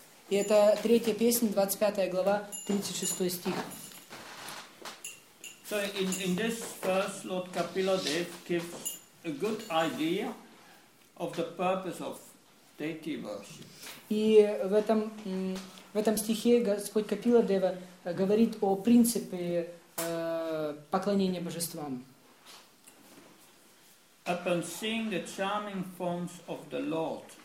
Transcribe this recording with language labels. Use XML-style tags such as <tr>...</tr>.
<ru>И это третья песня, 25 глава, 36 стих.</ru> <en>So in this verse, Lord Kapila Dev gives a good idea of the purpose of deity worship.</en> <ru>И в этом стихе Господь Капила Дева говорит о принципе поклонения божествам.</ru> <en>Upon seeing the charming forms of the Lord,</en>